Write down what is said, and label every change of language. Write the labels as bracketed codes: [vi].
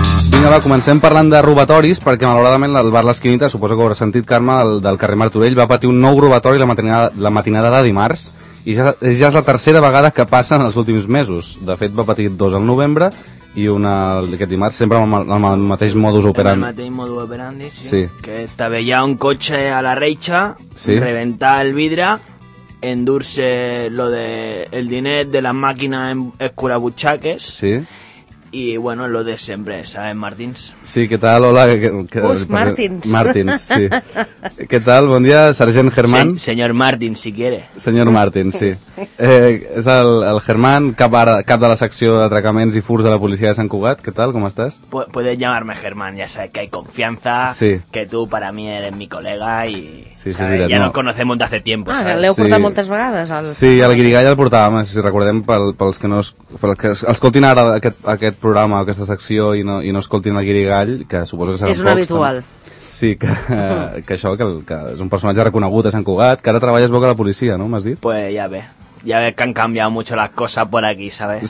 [ca] Vinga, va, comencem parlant de robatoris, perquè malauradament el bar L'Esquinita, suposo que ho haurà sentit, Carme, del carrer Martorell, va patir un nou robatori la matinada de dimarts, i ja és la tercera vegada que passa en els últims mesos. De fet, va patir dos al novembre, i una aquest dimarts, sempre amb el mateix modus operandi. El mateix modus operandi, sí. Sí. Que estavellar un cotxe a la reixa, sí. Reventar el vidre... [es] endurse lo de el dinero de las máquinas en escurabuchaques. Sí. Y bueno, lo de siempre, ¿sabes, Martins? Sí, ¿qué tal? Hola. Martins, sí. ¿Qué tal? Buen día, Sargent Germán. Sí, señor Martins, si quiere. Señor Martins, sí. Es el Germán, cap de la sección de atracaments y furs de la policía de Sant Cugat. ¿Qué tal? ¿Cómo estás? Puedes llamarme Germán, ya sabes que hay confianza, sí. Que tú para mí eres mi colega y... [ca] Sí, sí, veritat, [es] ja no. Nos conocemos de hace tiempo. [ca] Ah, l'heu portat, sí. Moltes vegades. Sí, el Guirigall el portàvem, si recordem, pels que no es, pels que escoltin ara aquest programa, aquesta secció, i no escoltin el Guirigall, que suposo que serà pocs. És un habitual. També. Sí, que és un personatge reconegut a Sant Cugat, que ara treballa es boca a la policia, no? M'has dit? [es] Pues ya ve que han cambiado mucho las cosas por aquí, ¿sabes?